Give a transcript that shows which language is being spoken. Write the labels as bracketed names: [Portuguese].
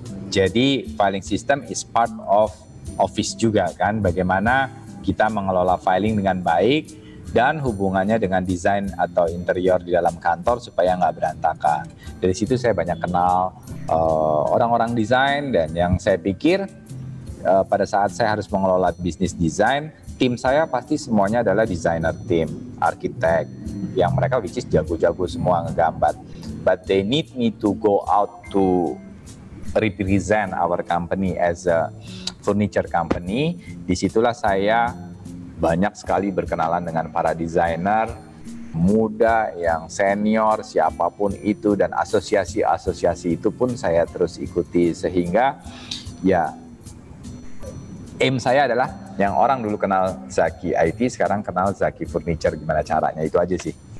[Indonesian] Jadi [English] filing system is part of office [Indonesian] juga kan, bagaimana kita mengelola filing dengan baik dan hubungannya dengan desain atau interior di dalam kantor supaya nggak berantakan. Dari situ saya banyak kenal orang-orang desain, dan yang saya pikir pada saat saya harus mengelola bisnis desain, tim saya pasti semuanya adalah designer team, arsitek, yang mereka which is jago-jago semua ngegambar. [English] But they need me to go out to represent our company as a furniture company. [Indonesian] Disitulah saya banyak sekali berkenalan dengan para designer muda yang senior, siapapun itu, dan asosiasi-asosiasi itu pun saya terus ikuti. Sehingga ya aim saya adalah yang orang dulu kenal Zaki IT, sekarang kenal Zaki Furniture, gimana caranya, itu aja sih.